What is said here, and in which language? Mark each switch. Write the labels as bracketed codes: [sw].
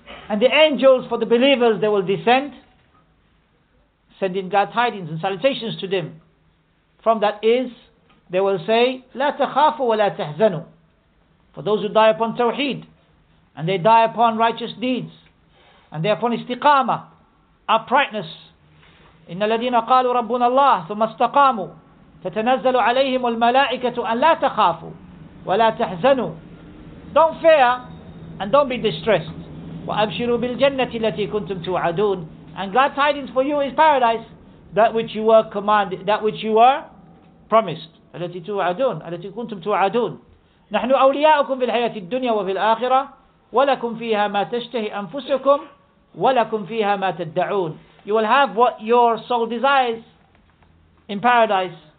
[en] And the angels, for the believers, they will descend, sending glad tidings and salutations to them. From that is, they will say, [ar] لَا تَخَافُوا وَلَا تَحْزَنُوا. [en] For those who die upon tawheed, and they die upon righteous deeds, and they are upon istiqamah, uprightness. [ar] إِنَّ الَّذِينَ قَالُوا رَبُّنَا اللَّهُ ثُمَّ اسْتَقَامُوا تَتَنَزَّلُ عَلَيْهِمُ الْمَلَائِكَةُ أَنْ لَا تَخَافُوا وَلَا تَحْزَنُوا. [en] Don't fear and don't be distressed. [ar] وَأَبْشِرُوا بِالْجَنَّةِ الَّتِي كُنْتُمْ تُوَعَدُونَ. [en] And glad tidings for you is paradise, that which you were commanded, that which you were promised. [ar] الَّتِي تُوَعَدُونَ الَّتِي كُنْتُمْ تُوَعَدُونَ. نَحْنُ أَوْلِيَاؤُكُمْ فِي الْحَيَاةِ الدُّنْيَا وَفِي الْآخِرَةِ وَلَكُمْ فِيهَا مَا تَشْتَهِي أَنفُسُكُمْ وَلَكُمْ فِيهَا مَا تَدَّعُونَ. [en] You will have what your soul desires in paradise.